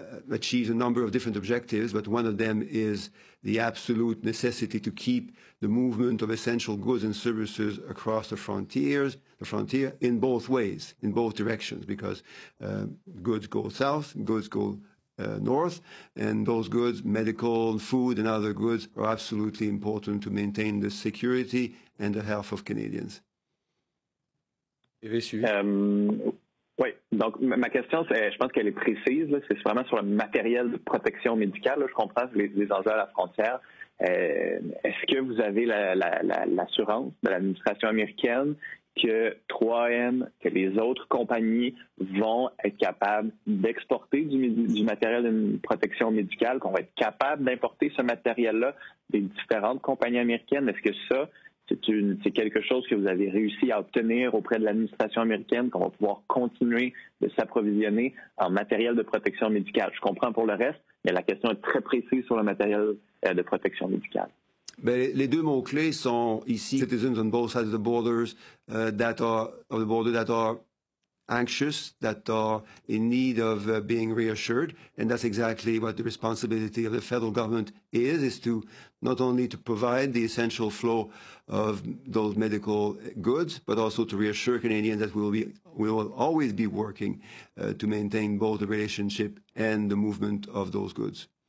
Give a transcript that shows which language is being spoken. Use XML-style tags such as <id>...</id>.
<en>achieves a number of different objectives, but one of them is the absolute necessity to keep the movement of essential goods and services across the frontiers, the frontier, in both ways, in both directions, because goods go south, goods go north, and those goods, medical, food, and other goods, are absolutely important to maintain the security and the health of Canadians.</en> <fr>Oui, donc ma question, c'est, je pense qu'elle est précise, là, c'est vraiment sur le matériel de protection médicale, là, je comprends les enjeux à la frontière. Est-ce que vous avez l'assurance de l'administration américaine que 3M, que les autres compagnies vont être capables d'exporter du matériel de protection médicale, qu'on va être capable d'importer ce matériel-là des différentes compagnies américaines? Est-ce que ça, c'est quelque chose que vous avez réussi à obtenir auprès de l'administration américaine, qu'on va pouvoir continuer de s'approvisionner en matériel de protection médicale? Je comprends pour le reste, mais la question est très précise sur le matériel de protection médicale. Bien, les deux mots clés sont ici,</fr> <en>citizens on both sides of the borders, that are anxious, that are in need of being reassured, and that's exactly what the responsibility of the federal government is to not only to provide the essential flow of those medical goods, but also to reassure Canadians that we will always be working to maintain both the relationship and the movement of those goods.</en>